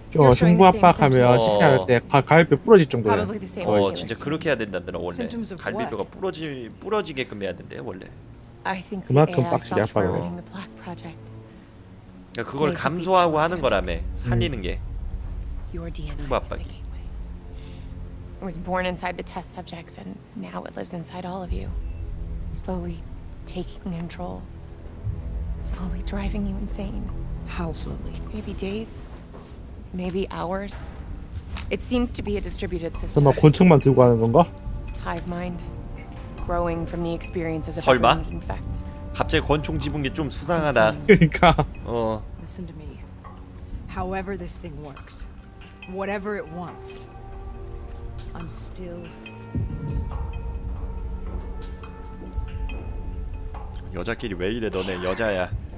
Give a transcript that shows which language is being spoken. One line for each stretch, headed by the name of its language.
Korean: 어 흉부 압박하면 시키할 때 갈비뼈 부러질 정도야. 어 진짜 그렇게 해야 된다더라. 원래 갈비뼈가 부러지게끔 해야 된대요 원래. 그만큼 빡시게 아파요. 그러니까 그걸 감소하고 하는 거라며 살리는 게 흉부 압박이.
English: It was born inside the test subjects, and now it lives inside all of you. Slowly taking control. Slowly driving you insane. How slowly? Maybe days? Maybe hours? It seems to be a distributed system.
Korean: 설마 권총만 들고 가는 건가?
English: Hive mind. Growing from the experiences of everyone it infects.
Korean: 갑자기 권총 집은 게 좀 수상하다. 그러니까.
English: 어. Listen to me. However this thing works, whatever it wants, I'm still.
Korean: 여자끼리 왜 이래 너네 여자야.